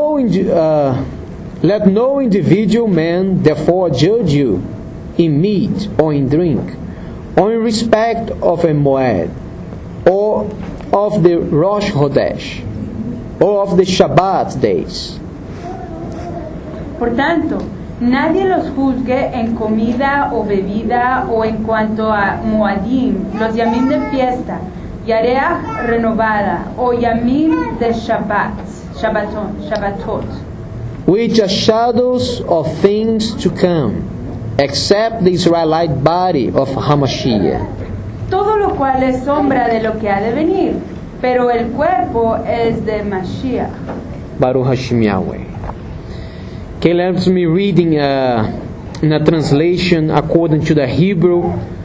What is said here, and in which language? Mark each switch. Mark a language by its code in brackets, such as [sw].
[en] Let no individual man therefore judge you in meat or in drink, or in respect of a moed, or of the Rosh Hodesh, or of the Shabbat days. [es] Por tanto, nadie los juzgue en comida o bebida o en cuanto a moedim, los yamim de fiesta, yareach renovada, o yamim de Shabbat. [he] Shabbaton, [en] which are shadows of things to come, except the Israelite body of Hamashiach. [es] Todo lo cual es sombra de lo que ha de venir, pero el cuerpo es de Mashiach. [he] Baruch Hashem Yahweh. [en] Okay, let me reading in a translation according to the Hebrew.